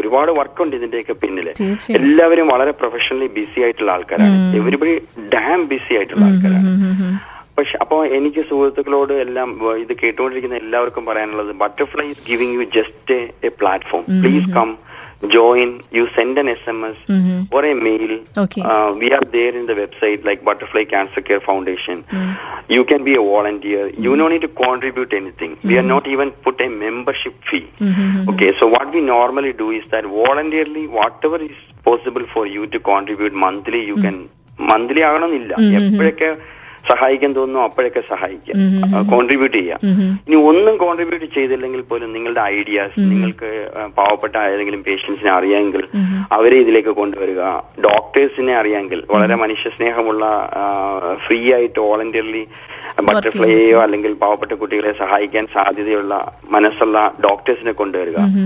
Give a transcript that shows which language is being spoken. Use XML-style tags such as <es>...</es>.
<ml>ഒരുപാട് വർക്കുണ്ട് ഇതിന്റെയൊക്കെ പിന്നിൽ. എല്ലാവരും വളരെ പ്രൊഫഷണലി ബിസി ആയിട്ടുള്ള ആൾക്കാരാണ്,</ml> <en>everybody damn busy</en> <ml>ആയിട്ടുള്ള ആൾക്കാരാണ്. പക്ഷെ അപ്പൊ എനിക്ക് സുഹൃത്തുക്കളോട് എല്ലാം ഇത് കേട്ടുകൊണ്ടിരിക്കുന്ന എല്ലാവർക്കും പറയാനുള്ളത്,</ml> <en>Butterfly is giving you just a platform, please come join. You send an SMS or a mail. We are there in the website like Butterfly Cancer Care Foundation. You can be a volunteer. You don't need to contribute anything. We are not even put a membership fee. Okay, so what we normally do is that voluntarily, whatever is possible for you to contribute monthly, you can.</en> <ml>Monthly ആകണമെന്നില്ല. എപ്പോഴൊക്കെ സഹായിക്കാൻ തോന്നുന്നു അപ്പോഴൊക്കെ സഹായിക്കുക, contribute ചെയ്യുക. ഇനി ഒന്നും contribute ചെയ്തില്ലെങ്കിൽ പോലും നിങ്ങളുടെ ഐഡിയാസ്, നിങ്ങൾക്ക് പാവപ്പെട്ട ഏതെങ്കിലും പേഷ്യൻസിനെ അറിയാമെങ്കിൽ അവരെ ഇതിലേക്ക് കൊണ്ടുവരിക. ഡോക്ടേഴ്സിനെ അറിയാമെങ്കിൽ, വളരെ മനുഷ്യ സ്നേഹമുള്ള ഫ്രീ ആയിട്ട് വോളണ്ടിയർലി ബട്ടർഫ്ലൈയെയോ അല്ലെങ്കിൽ പാവപ്പെട്ട കുട്ടികളെ സഹായിക്കാൻ സാധ്യതയുള്ള മനസ്സുള്ള ഡോക്ടേഴ്സിനെ കൊണ്ടുവരിക.</ml>